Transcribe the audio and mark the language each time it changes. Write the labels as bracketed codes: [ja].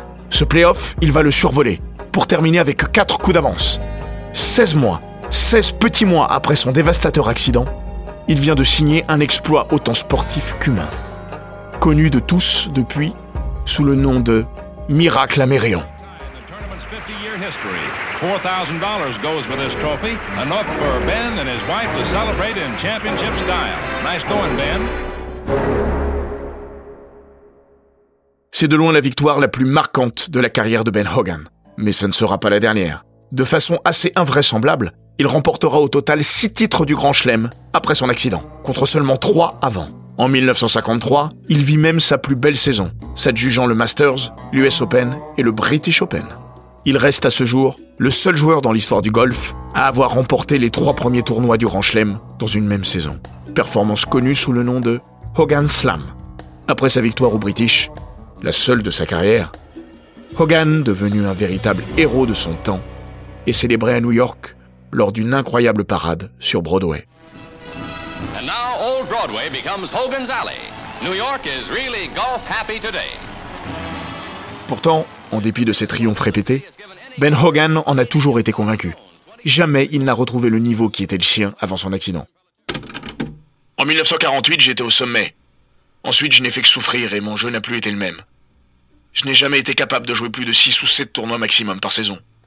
[fr] Ce play-off, il va le survoler, pour terminer avec 4 coups d'avance. 16 mois, 16 petits mois après son dévastateur accident, il vient de signer un exploit autant sportif qu'humain. Connu de tous depuis, sous le nom de « Miracle à Merion ». [en] $4,000 goes with this trophy, enough for Ben and his wife to celebrate in championship style. Nice going, Ben. [fr] C'est de loin la victoire la plus marquante de la carrière de Ben Hogan. Mais ce ne sera pas la dernière. De façon assez invraisemblable, il remportera au total 6 titres du Grand Chelem après son accident, contre seulement 3 avant. En 1953, il vit même sa plus belle saison, s'adjugeant le Masters, l'US Open et le British Open. Il reste à ce jour le seul joueur dans l'histoire du golf à avoir remporté les 3 premiers tournois du Grand Chelem dans une même saison. Performance connue sous le nom de Hogan Slam. Après sa victoire au British, la seule de sa carrière, Hogan, devenu un véritable héros de son temps, est célébré à New York lors d'une incroyable parade sur Broadway. [en] And now Old Broadway becomes Hogan's Alley. New York is really golf happy today. [fr] Pourtant, en dépit de ses triomphes répétés, Ben Hogan en a toujours été convaincu. Jamais il n'a retrouvé le niveau qui était le sien avant son accident. En 1948, j'étais au sommet. Ensuite, je n'ai fait que souffrir et mon jeu n'a plus été le même. Je n'ai jamais été capable de jouer plus de 6 ou 7 tournois maximum par saison.